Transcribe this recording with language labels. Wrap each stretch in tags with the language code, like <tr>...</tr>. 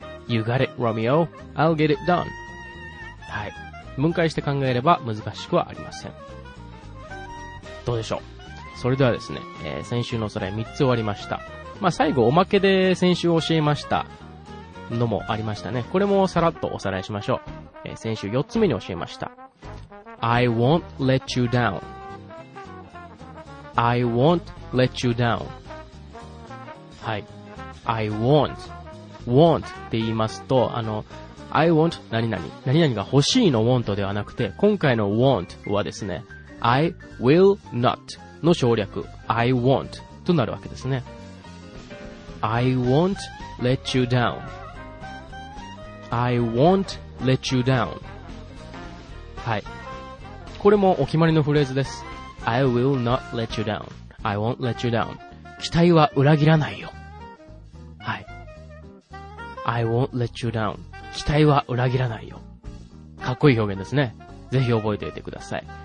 <en>You got it Romeo、 I'll get it done、</en> <ja>はい、分解して考えれば難しくはありません。どうでしょう。それではですね、先週のおさらい3つ終わりました。まあ最後おまけで先週教えましたのもありましたね。これもさらっとおさらいしましょう。先週4つ目に教えました。</ja> <en>I won't let you down、 I won't let you down。</en> <ja>はい、 I won't、 won't って言いますと、あの I want 何々、何々が欲しいの want ではなくて、今回の want はですね、 I will not の省略、 I won't となるわけですね。</ja> <en>I won't let you down、 I won't let you down。</en> <ja>はい、これもお決まりのフレーズです。</ja> <en>I will not let you down、 I won't let you down、</en> <ja>期待は裏切らないよ。はい、</ja> <en>I won't let you down、</en> <ja>期待は裏切らないよ。かっこいい表現ですね。ぜひ覚えておいてください。</ja>